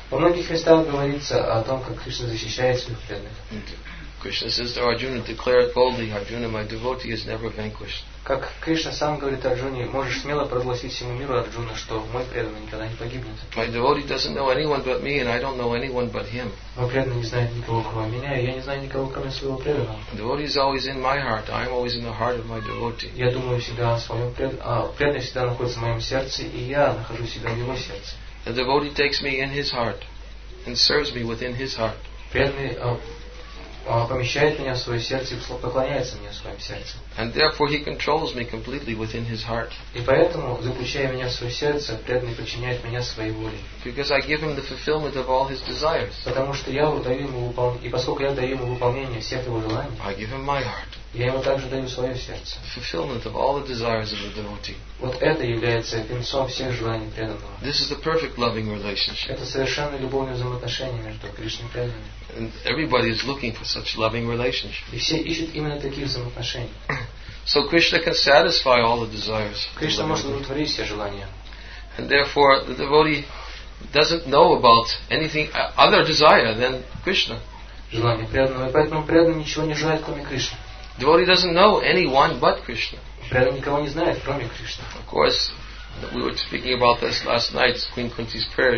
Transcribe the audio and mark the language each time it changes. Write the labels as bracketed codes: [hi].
[ru] Во многих местах говорится о том, как Кришна защищает своих преданных. [en] Krishna says to Arjuna, declare it boldly, Arjuna, my devotee is never vanquished. [ru] Как Кришна сам говорит Арджуне, можешь смело прогласить всему миру, Арджуна, что мой преданный никогда не погибнет. [en] My devotee doesn't know anyone but me, and I don't know anyone but him. [ru] Мой преданный не знает никого, кроме меня, и я не знаю никого, кроме своего преданного. [en] My devotee is always in my heart, I am always in the heart of my devotee. [ru] Я думаю всегда о своем преданном, преданный всегда находится в моем сердце, и я нахожу себя в его сердце. [en] The devotee takes me in his heart, and serves me within his heart. [ru] Преданный помещает меня в свое сердце и поклоняется мне в своем сердце. [en] And therefore he controls me completely within his heart. [ru] И поэтому, заключая меня в свое сердце, преданный подчиняет меня своей воле. [en] Because I give him the fulfillment of all his desires. [ru] Потому что я даю ему и поскольку я даю ему выполнение всех его желаний, [en] I give him my heart. [ru] Я ему также даю свое сердце. [en] Fulfillment of all the desires of the devotee. [ru] Вот это является венцом всех желаний преданного. [en] This is the perfect loving relationship. [ru] Это совершенно любовное взаимоотношение между Кришной и преданным. [en] And everybody is looking for such loving relationships. [ru] И все ищут именно таких взаимоотношений. [en] So Krishna can satisfy all the desires. [ru] Кришна может удовлетворить все желания. [en] And therefore the devotee doesn't know about anything other desire than Krishna. [ru] Желание преданного, и поэтому преданный ничего не желает, кроме Кришны. [en] Devotee doesn't know anyone but Krishna. [ru] Преданный никого не знает, кроме Кришны. [en] Of course, we were speaking about this last night. Queen Kunti's prayer.